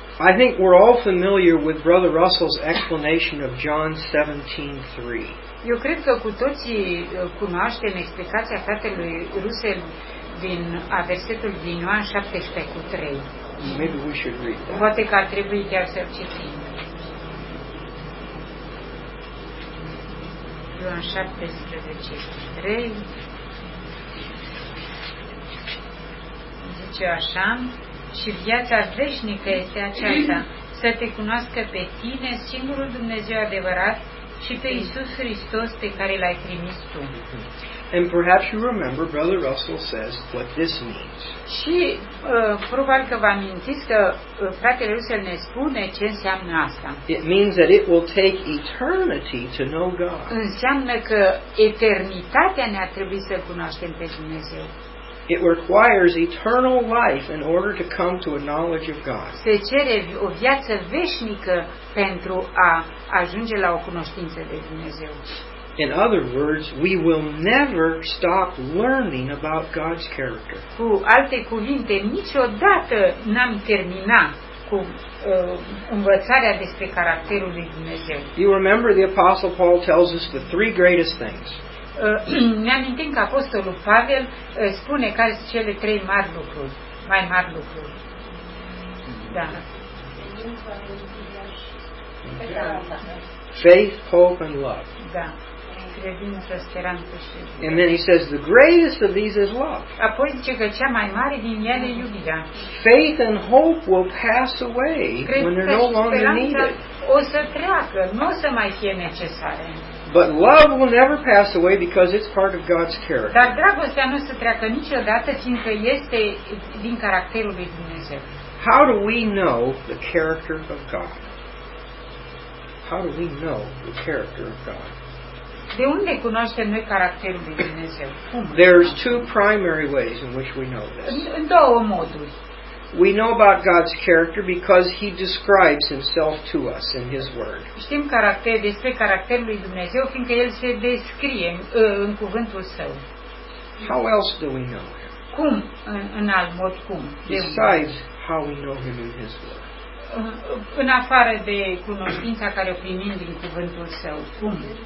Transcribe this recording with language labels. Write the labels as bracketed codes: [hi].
[en] I think we're all familiar with Brother Russell's explanation of John 17:3. [ro] Eu cred că cu toții cunoaștem explicația fratelui Russell din versetul din Ioan 17:3. [en] Maybe we should read that. [ro] Poate că ar trebui chiar să-l citim. Ioan 17:3 zice așa: și viața veșnică este aceasta, să te cunoască pe tine singurul Dumnezeu adevărat și pe Iisus Hristos pe care l-ai trimis tu. [en] And perhaps you remember Brother Russell says what this means. [ro] Și probabil că vă amintiți că fratele Russell ne spune ce înseamnă asta. [en] It means that it will take eternity to know God. [ro] Înseamnă că eternitatea ne-a trebuit să cunoaștem pe Dumnezeu. [en] It requires eternal life in order to come to a knowledge of God. [ro] Se cere o viață veșnică pentru a ajunge la o cunoștință de Dumnezeu. [en] In other words, we will never stop learning about God's character. [ro] Cu alte cuvinte, niciodată n-am terminat cu învățarea despre caracterul lui Dumnezeu. [en] You remember the Apostle Paul tells us the three greatest things. [ro] Ne amintim că Apostolul Pavel spune care sunt cele trei mari lucruri, mai mari lucruri. Da. [en] Faith, hope, and love. [ro] Da. Credință, speranță și iubire. [en] And then he says the greatest of these is love. [ro] Apoi zice că cea mai mare din ele e iubirea. [en] Faith and hope will pass away when they're no longer needed. [ro] O să treacă, nu o să mai fie necesare. [en] But love will never pass away because it's part of God's character. [ro] Dar dragostea nu se treacă niciodată, fiindcă este din caracterul lui Dumnezeu. [en] How do we know the character of God? How do we know the character of God? [ro] De unde cunoaștem noi caracterul lui Dumnezeu? [en] There's two primary ways in which we know this. [ro] În două moduri. [en] We know about God's character because He describes Himself to us in His Word. [ro] Știm caracter despre caracterul lui Dumnezeu fiindcă El se descrie în cuvântul Său. [en] How else do we know Him? [ro] Cum? În alt mod, cum? [en] Besides how we know Him in His Word. [ro] În afară de cunoștința care o primim din cuvântul Său, cum?